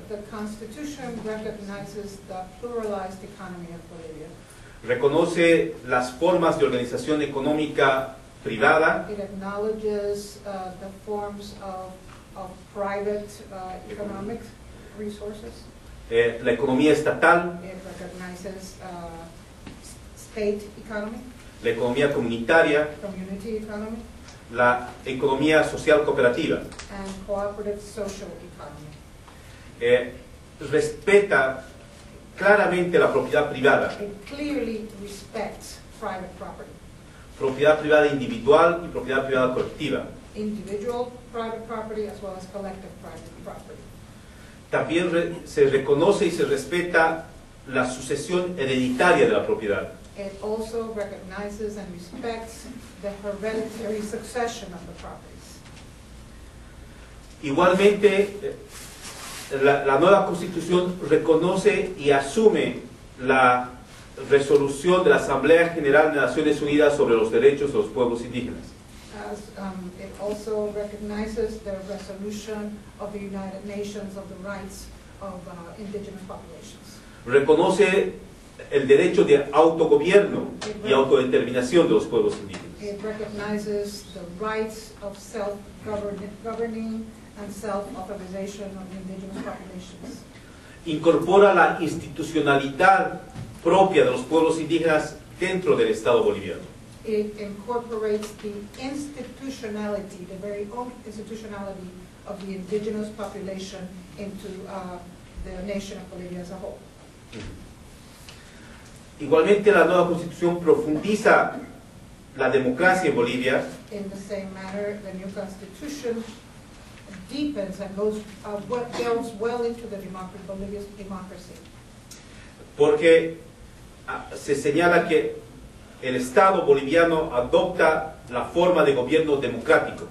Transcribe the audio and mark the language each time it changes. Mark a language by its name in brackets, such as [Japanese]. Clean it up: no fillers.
[English] The Constitution recognizes the pluralized economy of Bolivia. [Spanish] Reconoce las formas de organización económica privada. [English] It acknowledges the forms of private economic resources. [Spanish] La economía estatal. [English] It recognizes state economy. [Spanish] La economía comunitaria. [English] Community economy. [Spanish] La economía social cooperativa. [English] And cooperative social economy. [Spanish] Respeta claramente la propiedad privada. [English] It clearly respects private property. [Spanish] Propiedad privada individual y propiedad privada colectiva. [English] Individual private property as well as collective private property. [Spanish] También se reconoce y se respeta la sucesión hereditaria de la propiedad. [English] It also recognizes and respects the hereditary succession of the properties. [Spanish] Igualmente, la nueva Constitución reconoce y asume la resolución de la Asamblea General de Naciones Unidas sobre los derechos de los pueblos indígenas. [English] It also recognizes the resolution of the United Nations of the rights of indigenous populations. [Spanish] Reconoce el derecho de autogobierno y autodeterminación de los pueblos indígenas. [English] It recognizes the rights of self-governing and self-authorization of the indigenous populations. [Spanish] Incorpora la institucionalidad propia de los pueblos indígenas dentro del Estado boliviano. [English] It incorporates the institutionality, the very own institutionality of the indigenous population into the nation of Bolivia as a whole. [Spanish] Igualmente, la nueva Constitución profundiza la democracia en Bolivia. [English] In the same manner, the new Constitution deepens and goes delves well into the Bolivia's democracy. [Spanish] Porque se señala que el Estado boliviano adopta la forma de gobierno democrático.